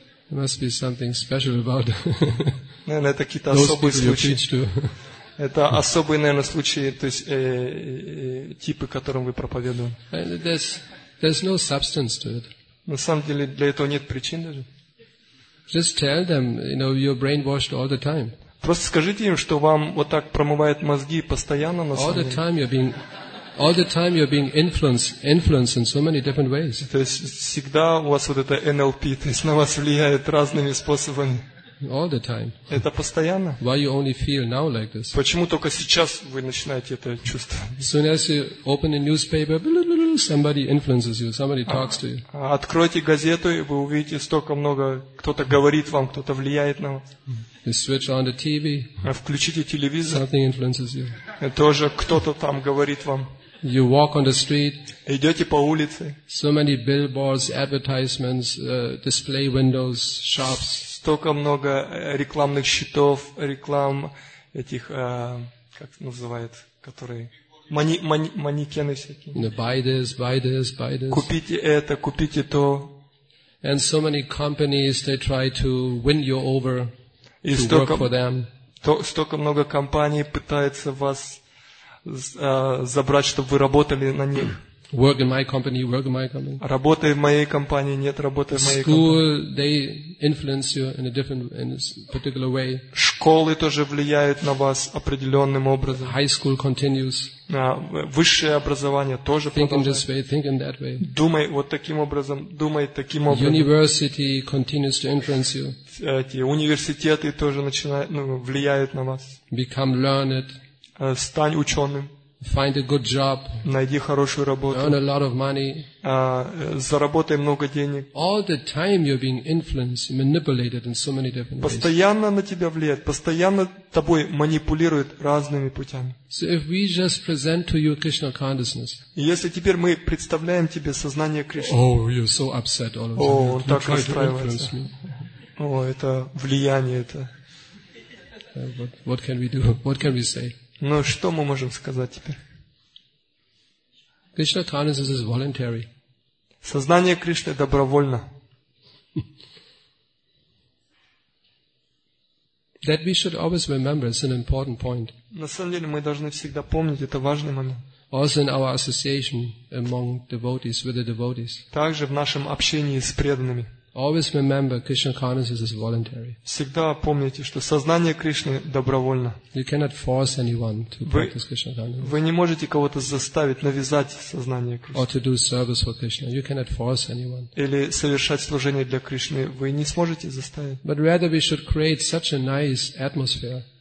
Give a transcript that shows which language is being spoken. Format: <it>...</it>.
<en>There must be something special about</en> <ru>наверное, это какие-то особые случаи. Это особые, наверное, случаи, то есть типы, которым вы проповедуете.</ru> <en>There's no substance to it.</en> <ru>На самом деле для этого нет причин даже.</ru> <en>Just tell them, you know, you're brainwashed all the time.</en> <ru>Просто скажите им, что вам вот так промывают мозги постоянно на самом деле.</ru> <en>All the time you're being influenced in so many different ways.</en> <ru>То есть всегда у вас вот это NLP, то есть на вас влияет разными способами.</ru> <en>All the time.</en> <ru>Это постоянно.</ru> <en>Why you only feel now like this?</en> <ru>Почему только сейчас вы начинаете это чувствовать?</ru> <en>As soon as you open a newspaper, somebody influences you, somebody talks to you.</en> <ru>Откройте газету, и вы увидите столько много, кто-то говорит вам, кто-то влияет на вас.</ru> <en>You switch on the TV.</en> <ru>Включите телевизор.</ru> <en>Something influences you.</en> <ru>Тоже кто-то там говорит вам.</ru> <en>You walk on the street.</en> <ru>Идете по улице.</ru> <en>So many billboards, advertisements, display windows, shops.</en> <ru>Столько много рекламных щитов, реклам этих, как называют, которые... манекены всякие.</ru> <en>You know, buy this.</en> <ru>Купите это, купите то.</ru> <en>And so many companies, they try to win you over</en> <ru>и</ru> <en>to</en> <ru>столько,</ru> <en>work for them.</en> <ru>Столько много компаний пытается вас забрать, чтобы вы работали на них.</ru> <en>Work in my company.</en> <ru>Работай в моей компании, нет, работай в моей компании.</ru> <en>They influence you in a different, in a particular way.</en> <ru>Школы тоже влияют на вас определенным образом. High school continues. Высшее образование тоже продолжает. Думай вот таким образом, думай таким образом.</ru> <en>University continues to influence you.</en> <ru>Эти университеты тоже начинают, ну, влияют на вас.</ru> <en>Become learned.</en> <ru>Стань ученым.</ru> <en>Find a good job.</en> <ru>Найди хорошую работу.</ru> <en>Earn a lot of money.</en> <ru>Заработай много денег.</ru> <en>All the time you're being influenced, manipulated in so many different ways.</en> <ru>Постоянно на тебя влияет, постоянно тобой манипулируют разными путями.</ru> <en>So if we just present to you Krishna consciousness.</en> <ru>Если теперь мы представляем тебе сознание Кришны.</ru> <en>Oh, you're so upset all of a sudden.</en> <ru>Он так расстраивается. О, это влияние это.</ru> <en>What can we do? What can we say?</en> <ru>Ну, что мы можем сказать теперь?</ru> <en>Krishna consciousness is voluntary.</en> <ru>Сознание Кришны добровольно.</ru> <en>That we should always remember is an important point.</en> <ru>На самом деле мы должны всегда помнить, это важный момент.</ru> <en>Also in our association among devotees, with the devotees.</en> <ru>Также в нашем общении с преданными.</ru> <en>Always remember Krishna consciousness is voluntary.</en> <ru>Всегда помните, что сознание Кришны добровольно.</ru> <en>You cannot force anyone to practice Krishna consciousness.</en> <ru>Вы не можете кого-то заставить навязать сознание Кришны.</ru> <en>Or to do service for Krishna. You cannot force anyone.</en> <ru>Или совершать служение для Кришны. Вы не сможете заставить.</ru> <en>But rather we should create such a nice atmosphere.</en>